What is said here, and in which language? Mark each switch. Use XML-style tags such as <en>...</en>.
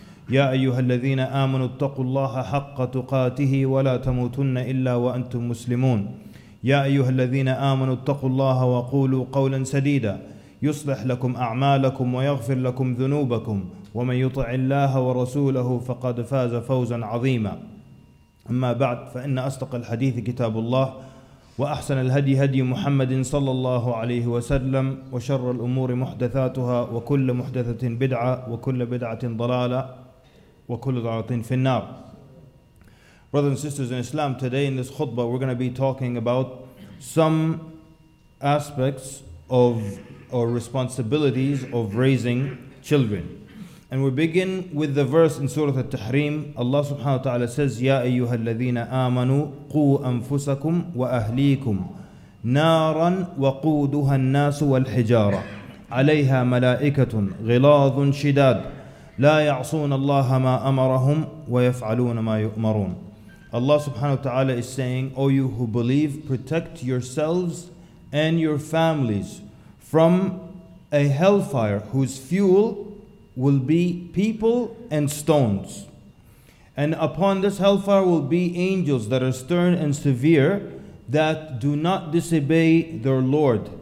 <ar>يا أيها الذين آمنوا اتقوا الله حق تقاته ولا تموتن إلا وأنتم مسلمون يا أيها الذين آمنوا اتقوا الله وقولوا قولًا سديدًا يصلح لكم أعمالكم ويغفر لكم ذنوبكم ومن يطع الله ورسوله فقد فاز فوزا عظيما أما بعد فإن أصدق الحديث كتاب الله وأحسن الهدي هدي محمد صلى الله عليه وسلم وشر الأمور محدثاتها وكل محدثة بدعة وكل بدعة ضلالة وكل ضلالة في النار.</ar> <en>Brothers and sisters in Islam, today in this khutbah we're going to be talking about some aspects of or responsibilities of raising children. And we begin with the verse in Surah At-Tahrim. Allah subhanahu wa ta'ala says,</en> <ar>يَا أَيُّهَا الَّذِينَ آمَنُوا قُوا أَنفُسَكُمْ وَأَهْلِيكُمْ نَارًا وَقُودُهَا النَّاسُ وَالْحِجَارَةُ عَلَيْهَا مَلَائِكَةٌ غِلَاظٌ شِدَادٌ لَا يَعْصُونَ اللَّهَ مَا أَمَرَهُمْ وَيَفْعَلُونَ مَا يُؤْمَرُونَ.</ar> <en>Allah subhanahu wa ta'ala is saying, O you who believe, protect yourselves and your families from a hellfire whose fuel will be people and stones. And upon this hellfire will be angels that are stern and severe, that do not disobey their Lord.</en>